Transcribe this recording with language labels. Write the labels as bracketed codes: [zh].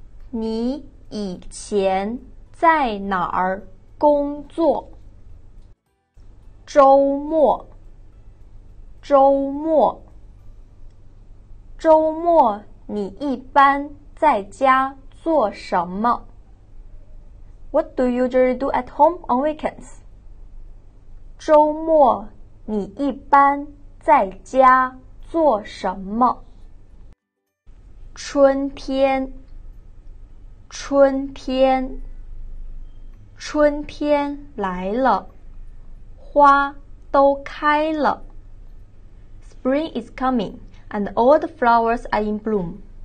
[zh] 你以前在哪儿工作？周末，周末，周末，你一般在家做什么？ [en] What do you usually do at home on weekends? [zh] 周末你一般在家做什么？春天，春天，春天来了，花都开了。 [en] Spring is coming, and all the flowers are in bloom.